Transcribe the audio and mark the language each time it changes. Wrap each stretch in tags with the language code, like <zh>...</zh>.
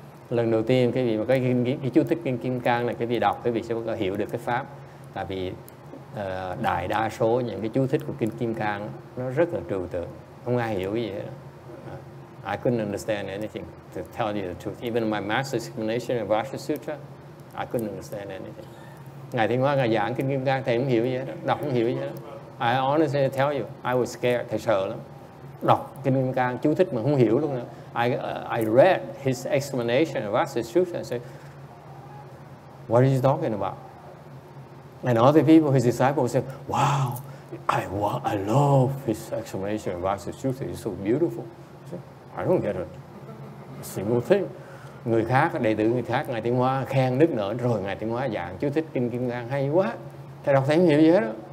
<vi>Lần đầu tiên cái vị mà cái chú thích kinh Kim Cang này, cái vị đọc cái vị sẽ có hiểu được cái pháp, tại vì đại đa số những cái chú thích của kinh Kim Cang nó rất là trừu tượng, không ai hiểu gì hết.</vi> <en>I couldn't understand anything, to tell you the truth. Even my master's explanation of Vasha Sutra, I couldn't understand anything.</en> <vi>Ngài Thiện Hoa, ngài giảng kinh Kim Cang, thầy không hiểu gì hết, đọc không hiểu gì hết.</vi> <en>I honestly tell you, I was scared,</en> <vi>thầy sợ lắm. Đọc kinh Kim Cang, chú thích mà không hiểu luôn nữa.</vi> <en>I read his explanation of Vasha Sutra and said, what are you talking about? And other people, his disciples, said, wow, I love his explanation of Vasha Sutra. It's so beautiful. I don't get it. Single thing.</en> <vi>Người khác, đệ tử người khác, Ngài Tiên Hoa khen nức nở. Rồi Ngài Tiên Hoa giảng chú thích kinh Kim Cang hay quá. Thầy đọc thấy nhiều gì hết đó.</vi>